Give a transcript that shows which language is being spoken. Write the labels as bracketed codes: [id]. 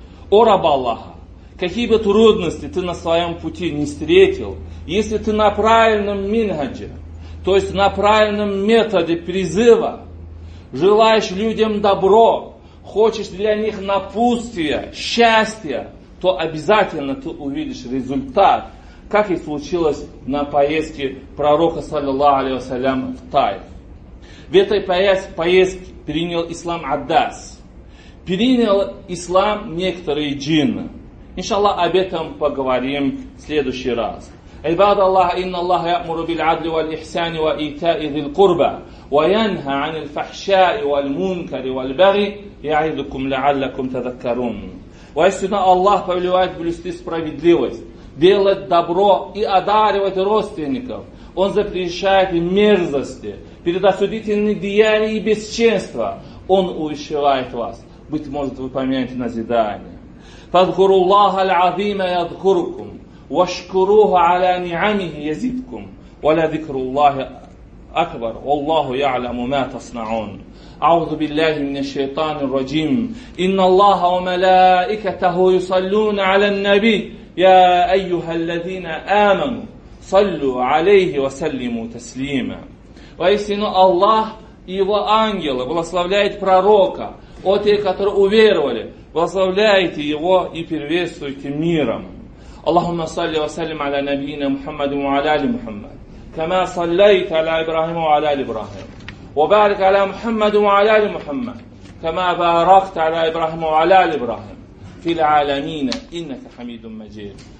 [ru] О раб Аллаха, какие бы трудности ты на своем пути не встретил, если ты на правильном минхаджи, то есть на правильном методе призыва, желаешь людям добро, хочешь для них напутствия, счастья, то обязательно ты увидишь результат, как и случилось на поездке пророка, саллиллаху алейхи ва саллям, в Таиф. В этой поездке принял ислам Аддас. Принял ислам некоторые джинны. Иншаллах, об этом поговорим в следующий раз. [ar] عباد الله إن الله يأمر بالعدل والإحسان وإيتاء ذي القربى وينهى عن الفحشاء والمنكر والبغي يعظكم لعلكم تذكرون. [ru] Воистину Аллах повелевает блюсти справедливость, делать добро и одаривать родственников. Он запрещает им мерзости, предосудительные деяния и бесчинства. Он увещевает вас. Быть может, вы помянете назидание. [ar] فاذكروا الله العظيم يذكركم واشكروه على نعمه يزدكم ولذكر الله اكبر والله يعلم ما تصنعون. اعوذ بالله من الشيطان الرجيم. ان الله وملائكته يصلون على النبي يا ايها الذين امنوا صلوا عليه وسلموا تسليما. [ru] Воистину Аллах и его ангелы благословляют пророка, о те, которые уверовали, благословляйте его и приветствуйте миром. [ar] اللهم صل وسلم على نبينا محمد وعلى آل محمد كما صليت على إبراهيم وعلى آل إبراهيم وبارك على محمد وعلى آل محمد كما باركت على إبراهيم وعلى آل إبراهيم في العالمين إنك حميد مجيد.